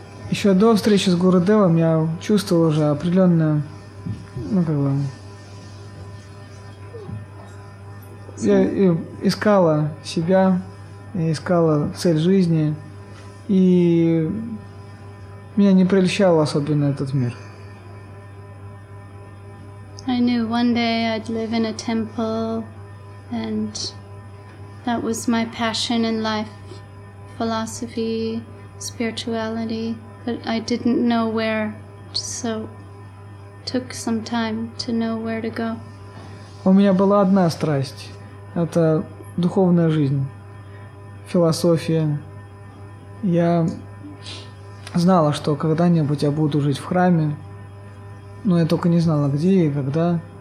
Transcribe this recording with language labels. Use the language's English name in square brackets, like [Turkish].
[Russian] Еще до встречи с Гурудевом я чувствовал уже определенное, ну как бы. Я искала себя, искала цель жизни, и меня не прельщал особенно этот мир. [English] I knew one day I'd live in a temple, and that was my passion in life, philosophy, spirituality, but I didn't know where, so took some time to know where to go. [Russian] У меня была одна страсть, это духовная жизнь, философия. Я знала, что когда-нибудь я буду жить в храме. Но я только не знала, где и когда.